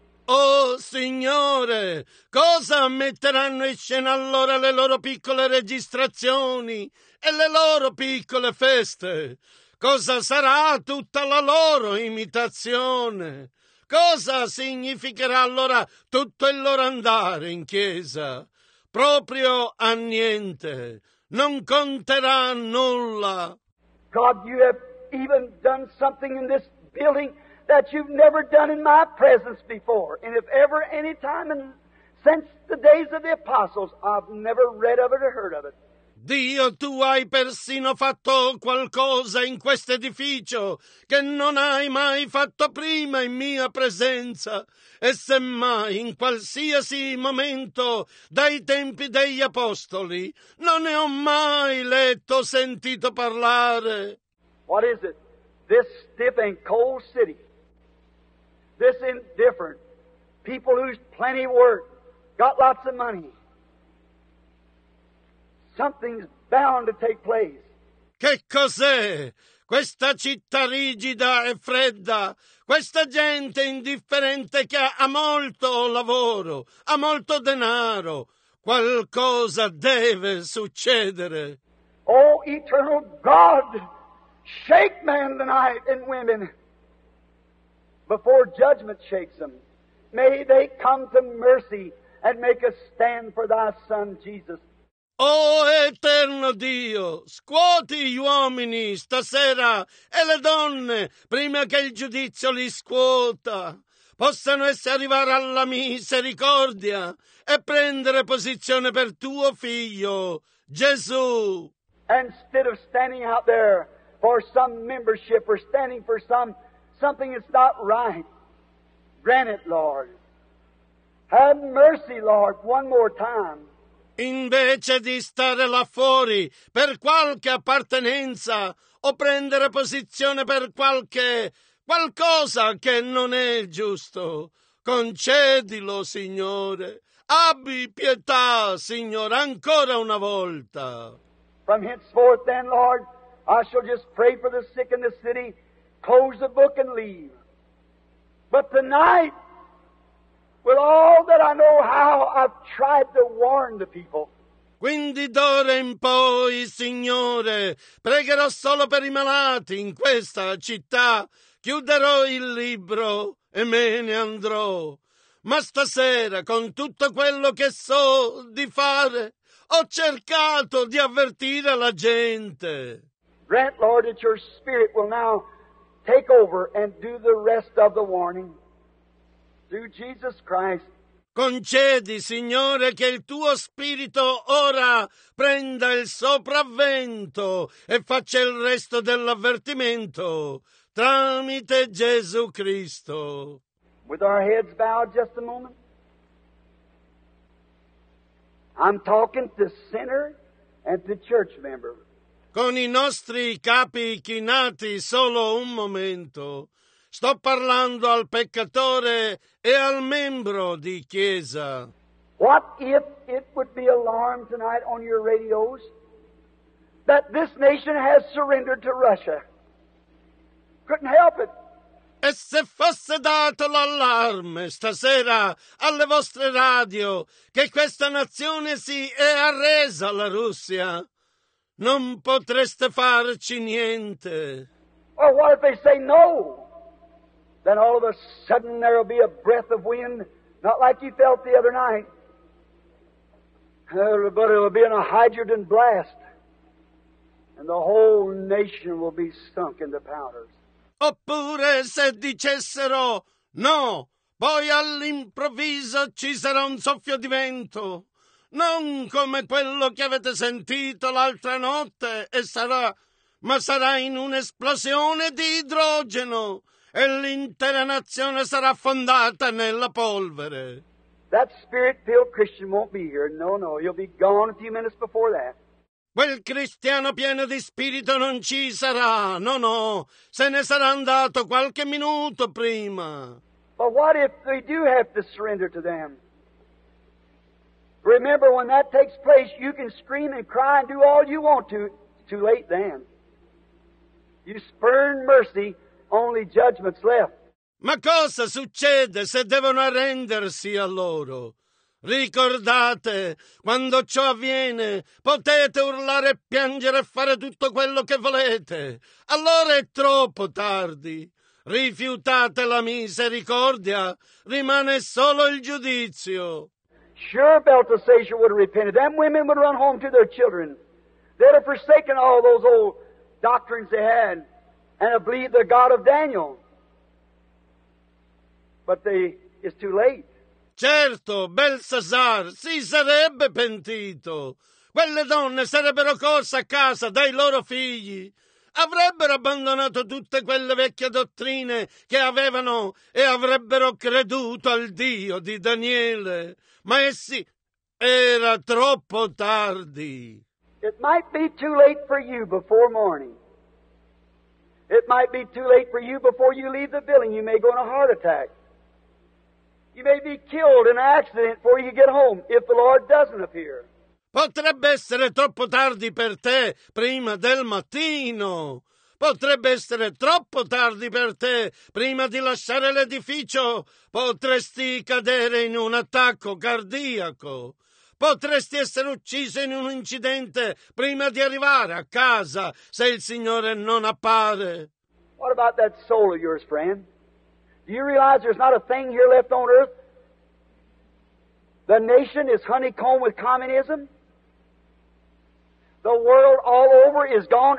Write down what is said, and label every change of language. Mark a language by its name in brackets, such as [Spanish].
[Italian] Oh, Signore, cosa metteranno in scena allora le loro piccole registrazioni e le loro piccole feste? Cosa sarà tutta la loro imitazione? Cosa significherà allora tutto il loro andare in chiesa? Proprio a niente. Non conterà nulla. [English] God, you have even done something in this building that you've never done in my presence before. And if ever any time in, since the days of the apostles, I've never read of it or heard of it. [Italian] Dio, tu hai persino fatto qualcosa in questo edificio che non hai mai fatto prima in mia presenza. E semmai in qualsiasi momento dai tempi degli apostoli non ne ho mai letto o sentito parlare. [English] What is it? This stiff and cold city. This indifferent. People who's plenty work, got lots of money. Something's bound to take place. [Italian] Che cos'è questa città rigida e fredda? Questa gente indifferente che ha molto lavoro, ha molto denaro. Qualcosa deve succedere. [English] Oh, eternal God, shake men tonight and women before judgment shakes them. May they come to mercy and make a stand for thy son Jesus. [Italian] Oh, eterno Dio, scuoti gli uomini stasera e le donne prima che il giudizio li scuota. Possano essi arrivare alla misericordia e prendere posizione per tuo figlio, Gesù. [English] Instead of standing out there for some membership or standing for something that's not right, grant it, Lord. Have mercy, Lord, one more time. [Italian] Invece di stare là fuori per qualche appartenenza o prendere posizione per qualcosa che non è giusto, concedilo, Signore. Abbi pietà, Signore, ancora una volta. [English] From henceforth then, Lord, I shall just pray for the sick in the city, close the book and leave. But tonight, with all that I know how, I've tried to warn the people. [Italian] Quindi d'ora in poi, Signore, pregherò solo per i malati in questa città. Chiuderò il libro e me ne andrò. Ma stasera, con tutto quello che so di fare, ho cercato di avvertire la gente. [English] Grant, Lord, that your spirit will now take over and do the rest of the warning. Through Jesus Christ. [Italian] Concedi, Signore, che il tuo spirito ora prenda il sopravvento e faccia il resto dell'avvertimento tramite Gesù Cristo. [English] With our heads bowed just a moment. I'm talking to sinner and to church member. [Italian] Con i nostri capi chinati solo un momento. Sto parlando al peccatore e al membro di chiesa. [English] What if it would be alarmed tonight on your radios that this nation has surrendered to Russia? Couldn't help it. [Italian] E se fosse dato l'allarme stasera alle vostre radio che questa nazione si è arresa alla Russia, non potreste farci niente. [English] Or what if they say no? Then all of a sudden there will be a breath of wind, not like you felt the other night, but it will be in a hydrogen blast, and the whole nation will be sunk into powders. [Italian] Oppure se dicessero no, poi all'improvviso ci sarà un soffio di vento, non come quello che avete sentito l'altra notte, ma sarà in un'esplosione di idrogeno. E l'intera nazione sarà affondata nella polvere. [English] That spirit-filled Christian won't be here. No, no, he'll be gone a few minutes before that. [Italian] Quel cristiano pieno di spirito non ci sarà. No, no, se ne sarà andato qualche minuto prima. [English] But what if they do have to surrender to them? Remember, when that takes place, you can scream and cry and do all you want to. It's too late then. You spurn mercy. Only judgments left. [Italian] Ma cosa succede se devono arrendersi a loro? Ricordate, quando ciò avviene, potete urlare e piangere e fare tutto quello che volete. Allora è troppo tardi. Rifiutate la misericordia, rimane solo il giudizio. [English] Sure, Balthasar would have repented. Them women would run home to their children. They'd have forsaken all those old doctrines they had and have believed the God of Daniel. But it's too late. [Italian] Certo, Belsasar si sarebbe pentito. Quelle donne sarebbero corse a casa dai loro figli. Avrebbero abbandonato tutte quelle vecchie dottrine che avevano e avrebbero creduto al Dio di Daniele. Ma essi era troppo tardi. [English] It might be too late for you before morning. It might be too late for you before you leave the building. You may go in a heart attack. You may be killed in an accident before you get home if the Lord doesn't appear. [Italian] Potrebbe essere troppo tardi per te prima del mattino. Potrebbe essere troppo tardi per te prima di lasciare l'edificio. Potresti cadere in un attacco cardiaco. Potresti essere ucciso in un incidente prima di arrivare a casa se il Signore non appare. [English] What about that soul of yours, friend? Do you realize there's not a thing here left on earth? The nation is honeycombed with communism. The world all over is gone.